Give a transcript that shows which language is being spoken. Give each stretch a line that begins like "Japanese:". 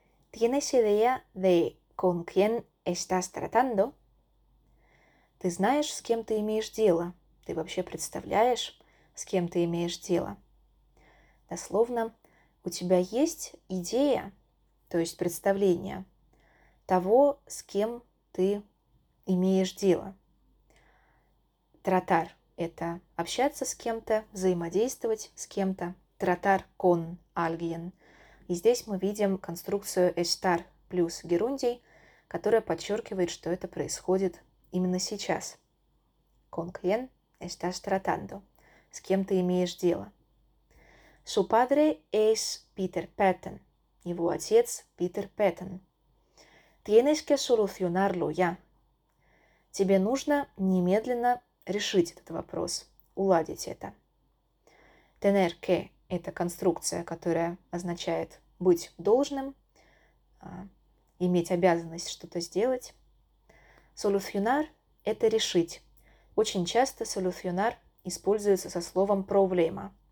Spanish: tienes idea de con quién estás tratando?
Russian: ¿Ты знаешь, с кем ты имеешь дело? ¿Ты вообще представляешь, с кем ты имеешь дело? Дословно, у тебя есть идея, то есть представление того, с кем ты имеешь дело. Tratar – это общаться с кем-то, взаимодействовать с кем-то.
Spanish: Tratar con alguien.
Russian: И здесь мы видим конструкцию estar плюс gerundi, которая подчеркивает, что это происходит именно сейчас.
Spanish: Con quien estás tratando.
Russian: С кем ты имеешь дело.
Spanish: Su padre es Peter Patton.
Russian: Его отец – Питер Пэттон.
Spanish: Tienes que solucionarlo ya.
Russian: Тебе нужно немедленно решить этот вопрос, уладить это. Tener que – это конструкция, которая означает быть должным, иметь обязанность что-то сделать. Solucionar – это решить. Очень часто solucionar используется со словом problema.